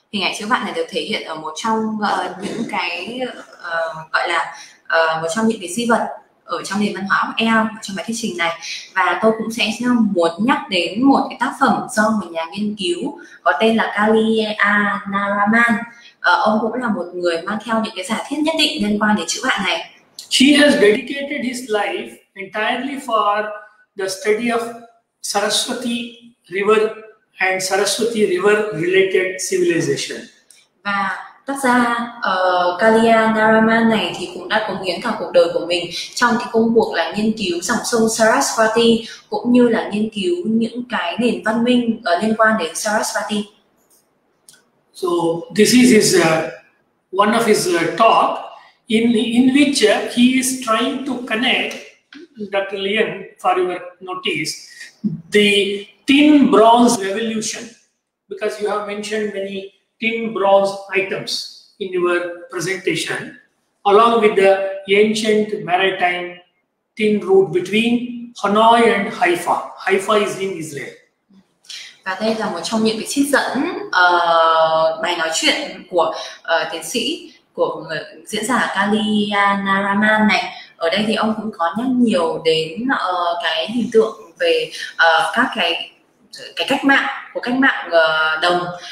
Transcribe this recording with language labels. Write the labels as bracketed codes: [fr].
[vi] Hình ảnh chữ vạn này được thể hiện ở một trong những cái gọi là một trong những cái di vật ở trong nền văn hóa của em trong bài thuyết trình này. Và tôi cũng sẽ muốn nhắc đến một cái tác phẩm do một nhà nghiên cứu có tên là Kaliya Naraman. Ông cũng là một người mang theo những cái giả thiết nhất định liên quan đến chữ vạn này. [en] He has dedicated his life entirely for the study of Saraswati River and Saraswati River related civilization. [vi] Và tác giả Kaliya Naraman này thì cũng đã cống hiến cả cuộc đời của mình trong cái công cuộc là nghiên cứu dòng sông Saraswati cũng như là nghiên cứu những cái nền văn minh liên quan đến Saraswati. [en] So this is his one of his talk in which he is trying to connect, Dr. Liam, for your notice, the tin bronze revolution, because you have mentioned many tin bronze items in your presentation, along with the ancient maritime tin route between Hanoi and Haifa. Haifa is in Israel. [vi] Và đây là một trong những cái trích dẫn bài nói chuyện của tiến sĩ, của người, diễn giả Kaliya Naraman này. Ở đây thì ông cũng có nhắc nhiều đến cái hình tượng về các cái cách mạng, của cách mạng đồng.